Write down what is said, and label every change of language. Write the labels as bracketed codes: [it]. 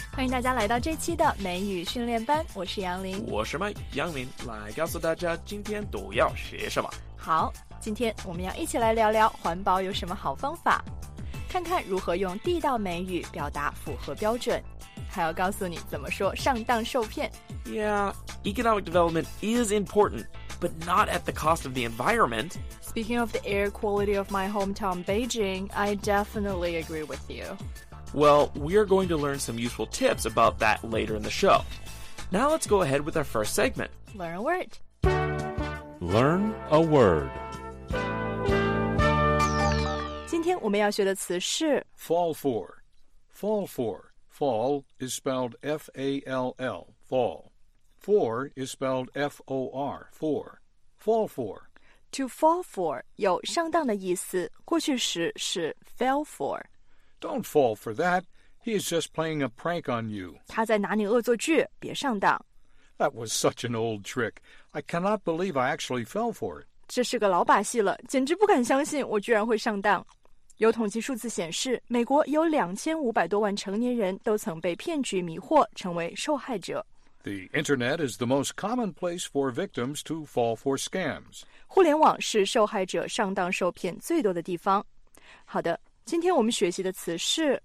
[zh] 大家来到这期的美语训练班，我是杨林，我是麦杨林，来告诉大家今天都要学什么。好，今天我们要一起来聊聊环保有什么好方法，看看如何用地道美语表达符合标准，还要告诉你怎么说上当受骗。 [en] Yeah, economic development is important, but not at the cost of the environment. Speaking of the air quality of my hometown Beijing, I definitely agree with you. Well, we are going to learn some useful tips about that later in the show. Now let's go ahead with our first segment. Learn a word. Learn a word. [zh] 今天我们要学的词是 [en] fall for. Fall for. Fall is spelled F-A-L-L, fall. For is spelled F-O-R, for. Fall for. [zh] To fall for 有上当的意思，过去时是 fell for. [en] Don't fall for that. He is just playing a prank on you. [zh] 他在拿你恶作剧，别上当。 [en] That was such an old trick. I cannot believe I actually fell for it. [zh] 这是个老把戏了，简直不敢相信我居然会上当。有统计数字显示，美国有2500多万成年人都曾被骗局迷惑，成为受害者。 [en] The internet is the most common place for victims to fall for scams. [zh] 互联网是受害者上当受骗最多的地方。好的，今天我们学习的词是